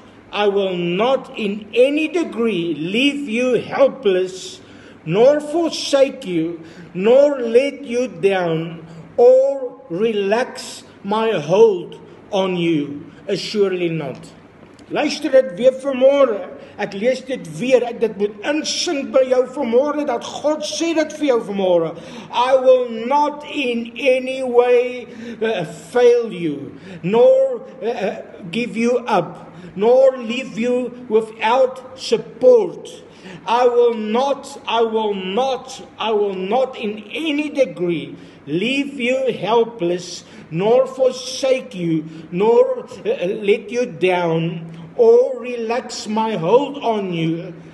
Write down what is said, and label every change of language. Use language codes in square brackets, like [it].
[en] I will not in any degree leave you helpless, nor forsake you, nor let you down, or relax my hold on you. Assuredly not. [af] Luister dit weer vanmôre. Ek lees dit weer. Ek dit moet insink by jou vanmôre dat God sê dit vir jou vanmôre. [en] I will not in any way fail you, nor give you up, nor leave you without support. I will not in any degree leave you helpless, nor forsake you, nor let you down, or relax my hold on you.